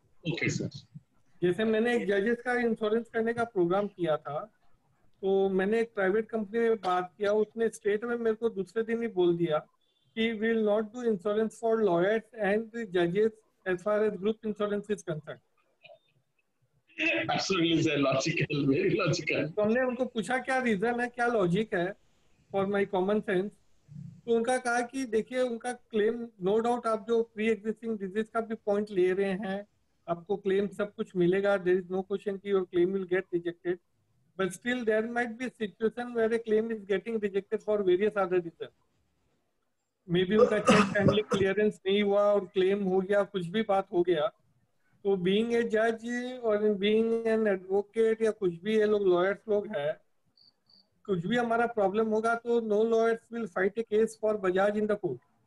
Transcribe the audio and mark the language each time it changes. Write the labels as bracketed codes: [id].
[hi] जैसे मैंने एक जजेस का इंश्योरेंस करने का प्रोग्राम किया था तो मैंने एक प्राइवेट कंपनी में बात किया, उसने स्टेट में मेरे को दूसरे दिन ही बोल दिया [en] we will not do insurance for lawyers and the judges as far as group insurance is concerned. Absolutely sir, logical, very logical. [hi] तो हमने उनको पूछा क्या [en] reason है, क्या logic है for my common sense, [hi] तो उनका कहा कि देखिए उनका [en] claim no doubt [hi] आप जो pre-existing disease का भी point ले रहे हैं आपको claim सब कुछ मिलेगा, [en] there is no question कि your claim will get rejected, but still there might be situation where a claim is getting rejected for various other reasons. [hi] May be उनका चेक फैमिली क्लियरेंस नहीं हुआ और claim हो गया, कुछ भी बात हो गया, तो बीइंग ए जज और बीइंग एन एडवोकेट या कुछ भी ये लोग लॉयर्स लोग हैं, कुछ भी हमारा प्रॉब्लम होगा तो [en] No lawyers will fight a case for Bajaj in the court.